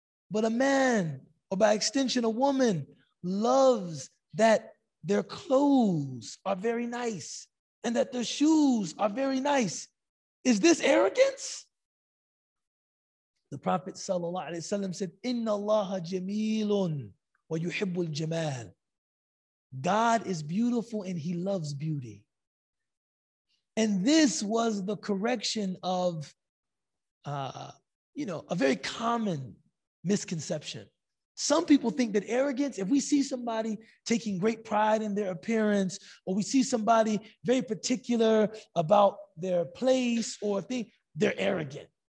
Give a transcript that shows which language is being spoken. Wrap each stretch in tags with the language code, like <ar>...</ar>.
<en>But a man, or by extension a woman, loves that their clothes are very nice and that their shoes are very nice. Is this arrogance? The Prophet ﷺ said,</en> <ar>إِنَّ اللَّهَ جَمِيلٌ وَيُحِبُّ الْجَمَالِ.</ar> <en>God is beautiful and he loves beauty. And this was the correction of, a very common misconception. Some people think that arrogance, if we see somebody taking great pride in their appearance, or we see somebody very particular about their place or thing, they're arrogant.</en>